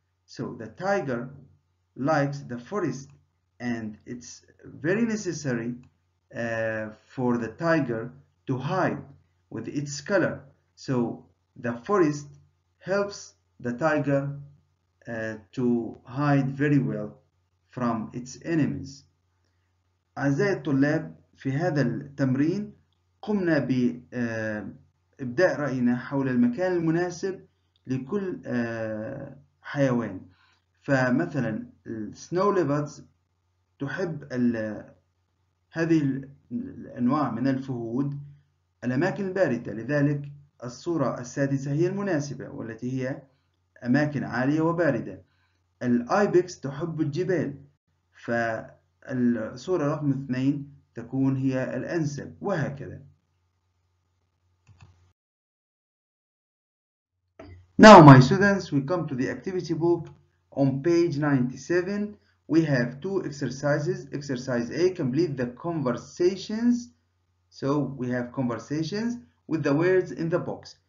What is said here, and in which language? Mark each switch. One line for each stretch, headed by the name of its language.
English: So, the tiger likes the forest and it's very necessary for the tiger to hide with its color. So, the forest helps the tiger to hide very well from its enemies.
Arabic: أعزائي الطلاب، في هذا التمرين قمنا بإبداء رأينا حول المكان المناسب لكل حيوان. فمثلا السنو ليبردز تحب هذه الأنواع من الفهود الأماكن الباردة، لذلك الصورة السادسة هي المناسبة والتي هي أماكن عالية وباردة. الأيبكس تحب الجبال، فالصورة رقم 2 تكون هي الأنسب، وهكذا.
English: Now my students, we come to the activity book on page 97. We have two exercises. Exercise A, complete the conversations. So we have conversations with the words in the box.